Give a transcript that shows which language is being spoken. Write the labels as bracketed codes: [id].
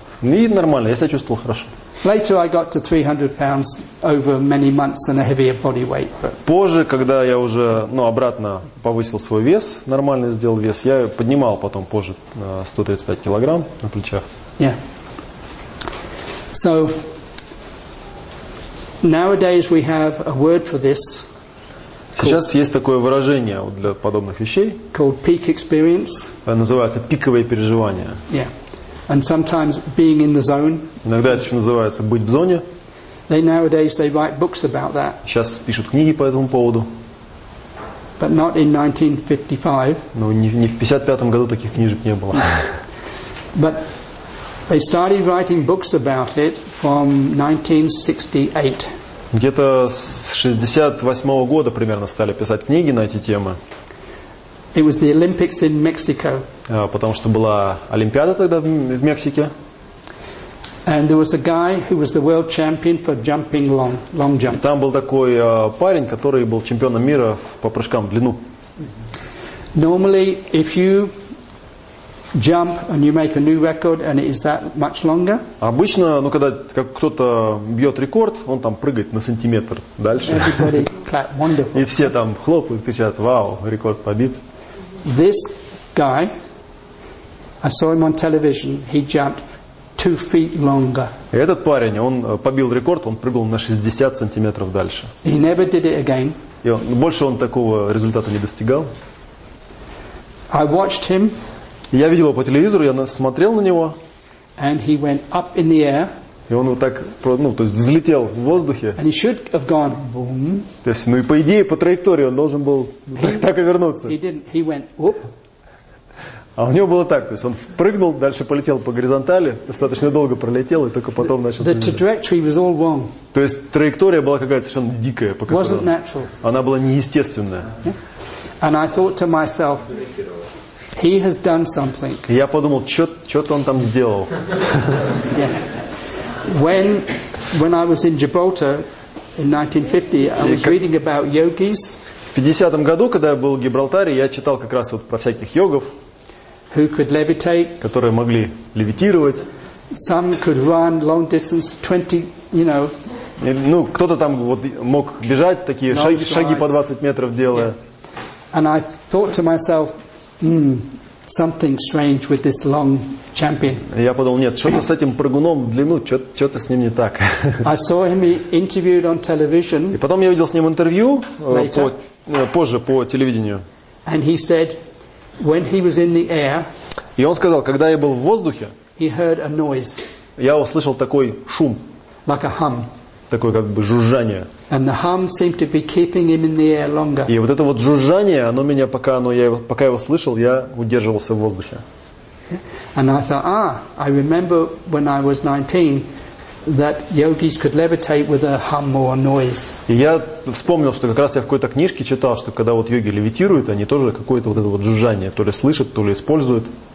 [ru] И нормально, я себя чувствовал хорошо. [en] Later I got to 300 pounds over many months and a heavier body weight. [ru] Позже, когда я уже, ну, обратно повысил свой вес, нормально сделал вес, я поднимал потом позже 135 килограмм на плечах. [en] Yeah. So nowadays we have a word for this. [ru] Сейчас есть такое выражение для подобных вещей. [en] Called peak experience. [ru] Называется пиковые переживания. [en] Yeah. And sometimes being in the zone. [ru] Иногда это еще называется быть в зоне. [en] They nowadays they write books about that. [ru] Сейчас пишут книги по этому поводу. [en] But not in 1955. [ru] Но не в 55 году таких книжек не было. [en] But they started writing books about it from 1968. [ru] Где-то с 68 года примерно стали писать книги на эти темы. [en] It was the Olympics in Mexico. [ru] Потому что была Олимпиада тогда в Мексике. [en] And there was a guy who was the world champion for jumping long jump. [ru] Там был такой парень, который был чемпионом мира по прыжкам в длину. [en] Normally, if you jump and you make a new record and it is that much longer. [ru] Обычно, ну когда как кто-то бьет рекорд, он там прыгает на сантиметр дальше. [en] Everybody clap, wonderful. [ru] И все там хлопают, кричат, вау, рекорд побит. [en] This guy, I saw him on television. He jumped 2 feet longer. [ru] И этот парень, он побил рекорд, он прыгнул на 60 сантиметров дальше. [en] He never did it again. [ru] И он, больше он такого результата не достигал. [en] I watched him. [ru] Я видел его по телевизору, я смотрел на него. [en] And he went up in the air. [ru] И он вот так, ну, то есть взлетел в воздухе. [en] And he should have gone boom. [ru] То есть, ну и по идее, по траектории он должен был так и вернуться. [en] He didn't. He went whoop. [ru] А у него было так, то есть он прыгнул, дальше полетел по горизонтали, достаточно долго пролетел, и только потом начал взлетать. То есть траектория была какая-то совершенно дикая, по которой она была неестественная. [en] And I thought to myself, he has done something. [ru] И я подумал, что-то он там сделал. [en] When I was in Gibraltar in 1950, I was reading about yogis. [ru] В 50-м году, когда я был в Гибралтаре, я читал как раз вот про всяких йогов. [en] Who could levitate? [ru] Которые могли левитировать. [en] Some could run long distance, 20, you know. [ru] Ну, кто-то там вот мог бежать такие шаги по 20 метров делая. [en] And I thought to myself, something strange with this long champion. [ru] Я подумал, нет, что-то с этим прыгуном в длину, что-то с ним не так. [en] I saw him interviewed on television. [ru] И потом я видел с ним интервью позже по телевидению. [en] And he said. When he was in the air, [ru] и он сказал, когда я был в воздухе, [en] he heard a noise, [ru] я услышал такой шум, [en] like a hum, [ru] такое как бы жужжание. [en] And the hum seemed to be keeping him in the air longer. [ru] И вот это вот жужжание, оно меня пока я его слышал, я удерживался в воздухе. [en] And I thought, I remember when I was 19. That yogis could levitate with a hum or a noise. [ru] И я вспомнил, что как раз я в какой-то книжке читал, что когда вот йоги левитируют, они тоже какое-то вот это вот жужжание то ли слышат, то ли используют.